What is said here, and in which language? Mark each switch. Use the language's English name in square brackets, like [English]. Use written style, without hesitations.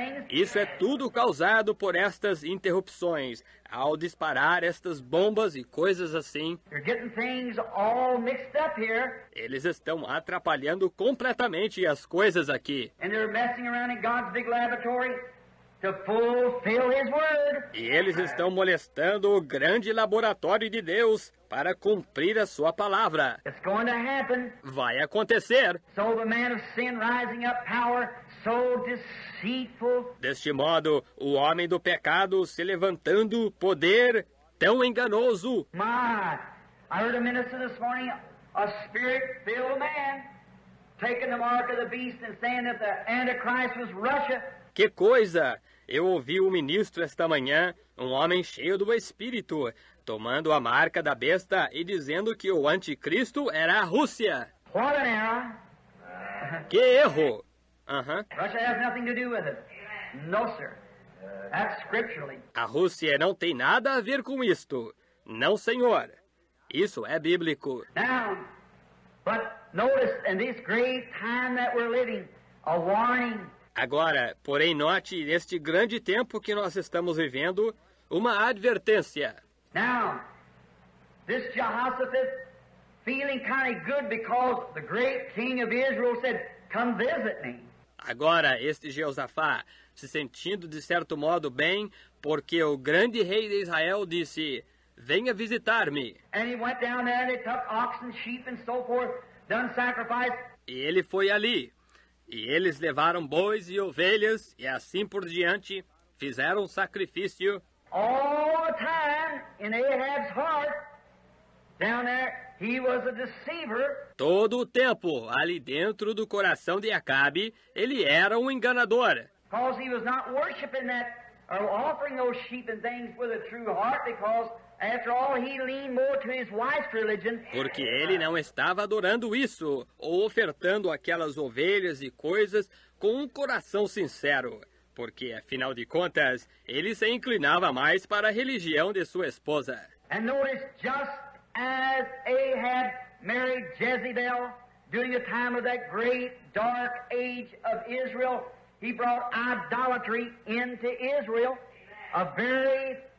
[Portuguese] Isso é tudo causado por estas interrupções, ao disparar estas bombas e coisas assim. [English] You're getting things all mixed up here. [Portuguese] Eles estão atrapalhando completamente as coisas aqui. [English] And they're messing around in God's big laboratory to fulfill His word. [Portuguese] E eles estão molestando o grande laboratório de Deus para cumprir a sua palavra. [English] It's going to happen. [Portuguese] Vai acontecer. [English] So the man of sin rising up power, so deceitful. [Portuguese] Deste modo, o homem do pecado se levantando poder tão enganoso. [English] My, I heard a minister this morning, a spirit-filled man, taking the mark of the beast and saying that the Antichrist was Russia. [Portuguese] Que coisa! Eu ouvi um ministro esta manhã, um homem cheio do Espírito, tomando a marca da besta e dizendo que o anticristo era a Rússia. [English] What an error. [Portuguese] Que erro! [English] Russia has nothing to do with it. No, sir. That's scripturally. [Portuguese] A Rússia não tem nada a ver com isto. Não, senhor. Isso é bíblico. [English] Now, but notice in this great time that we're living, a warning. [Portuguese] Agora, porém, note neste grande tempo que nós estamos vivendo, uma advertência. [English] Now, this Jehoshaphat feeling kind of good because the great king of Israel said, come visit me. [Portuguese] Agora, este Jeosafá se sentindo de certo modo bem, porque o grande rei de Israel disse, venha visitar-me. [English] And he went down there and they took oxen, sheep and so forth, done sacrifice. [Portuguese] E ele foi ali. E eles levaram bois e ovelhas, e assim por diante, fizeram sacrifício. [English] All the time, in Ahab's heart, down there, he was a deceiver. [Portuguese] Todo o tempo, ali dentro do coração de Acabe, ele era um enganador. [English] Because he was not worshiping that, or offering those sheep and things with a true heart, because after all, he leaned more to his wife's religion. [Portuguese] Porque ele não estava adorando isso, ou ofertando aquelas ovelhas e coisas com um coração sincero. Porque, afinal de contas, ele se inclinava mais para a religião de sua esposa. [English] And notice, just as Ahab married Jezebel during the time of that great dark age of Israel, he brought idolatry into Israel, a very